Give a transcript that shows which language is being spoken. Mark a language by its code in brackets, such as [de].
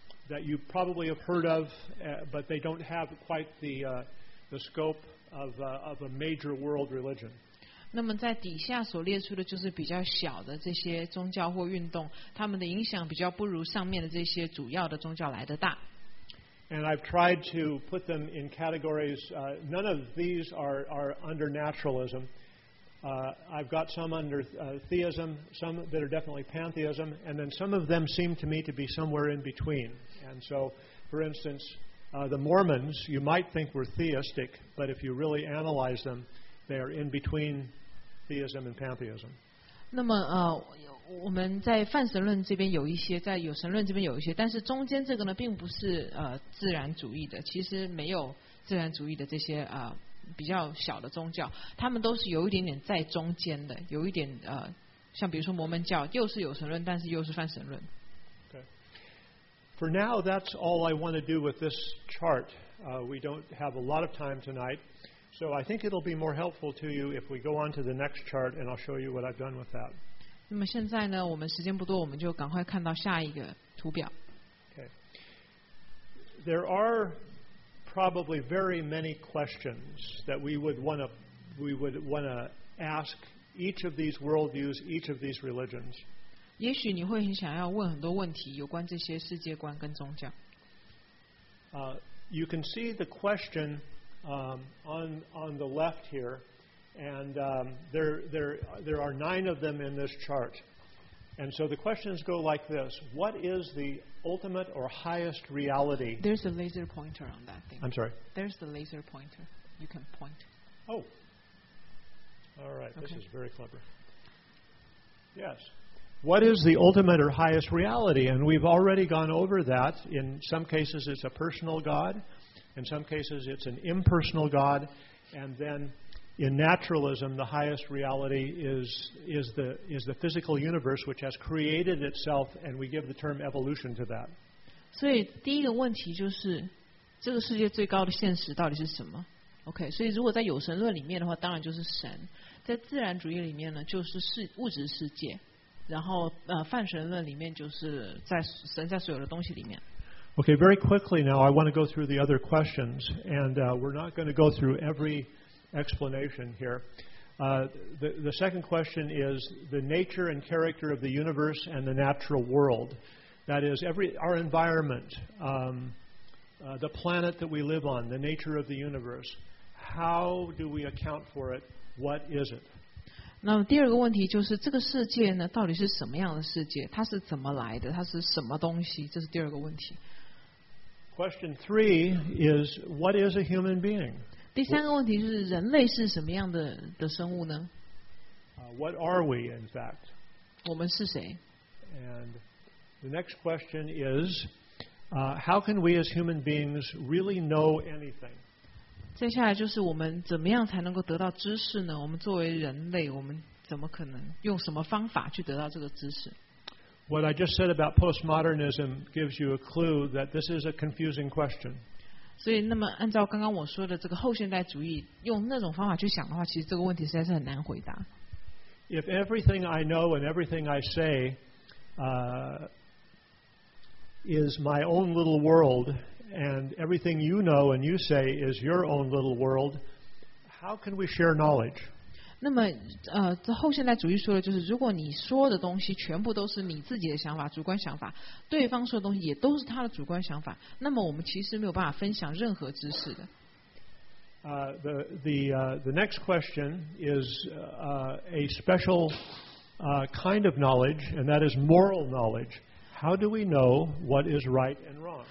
[en] That you probably have heard of, but they don't have quite the scope of a major world religion. [zh] 那么在底下所列出的就是比较小的这些宗教或运动，他们的影响比较不如上面的这些主要的宗教来的大。 [en] And I've tried to put them in categories. None of these are under naturalism. I've got some under theism, some that are definitely pantheism, and then some of them seem to me to be somewhere in between. And so, for instance, the Mormons, you might think were theistic, but if you really analyze them, they are in between theism and pantheism. [zh] 那么我们在泛神论这边有一些，在有神论这边有一些，但是中间这个呢，并不是自然主义的，其实没有自然主义的这些比较小的宗教，他们都是有一点点在中间的，有一点像比如说摩门教，又是有神论，但是又是泛神论。 [en] Okay. For now, that's all I want to do with this chart. We don't have a lot of time tonight, so I think it'll be more helpful to you if we go on to the next chart, and I'll show you what I've done with that. [zh] 那么现在呢，我们时间不多，我们就赶快看到下一个图表。 [en] Okay. There are probably very many questions that we would want to ask each of these worldviews, each of these religions. [zh] 也许你会很想要问很多问题，有关这些世界观跟宗教。 [en] You can see the question on the left here. And there are nine of them in this chart. And so the questions go like this. What is the ultimate or highest reality? There's a laser pointer on that thing. I'm sorry? There's the laser pointer. You can point. Oh. All right. Okay. This is very clever. Yes. What is the ultimate or highest reality? And we've already gone over that. In some cases, it's a personal God. In some cases, it's an impersonal God. And then... In naturalism, the highest reality is the physical universe, which has created itself, and we give the term evolution to that. [zh] 所以第一个问题就是，这个世界最高的现实到底是什么 ？OK， 所以如果在有神论里面的话，当然就是神；在自然主义里面呢，就是物质世界；然后泛神论里面就是在神在所有的东西里面。 [en] OK, very quickly now, I want to go through the other questions, and we're not going to go through every. Explanation here. The second question is the nature and character of the universe and the natural world. That is, our environment, the planet that we live on, the nature of the universe. How do we account for it? What is it? [zh] 那么第二个问题就是这个世界呢，到底是什么样的世界？它是怎么来的？它是什么东西？这是第二个问题。 [en] Question three is what is a human being? [zh] 第三个问题是人类是什么样 的生物呢 [en] ？What are we, in fact? [zh] 我们是谁 [en] ？And the next question is, how can we as human beings really know anything? [zh] 接下来就是我们怎么样才能够得到知识呢？我们作为人类，我们怎么可能用什么方法去得到这个知识 [en] ？What I just said about postmodernism gives you a clue that this is a confusing question. [zh] 所以，那么按照刚刚我说的这个后现代主义，用那种方法去想的话，其实这个问题实在是很难回答。 [en] If everything I know and everything I say, is my own little world, and everything you know and you say is your own little world, how can we share knowledge? [zh] 那么，这后现代主义说的就是，如果你说的东西全部都是你自己的想法、主观想法，对方说的东西也都是他的主观想法，那么我们其实没有办法分享任何知识的。 [en] The next question is a special kind of knowledge, and that is moral knowledge. How do we know what is right and wrong?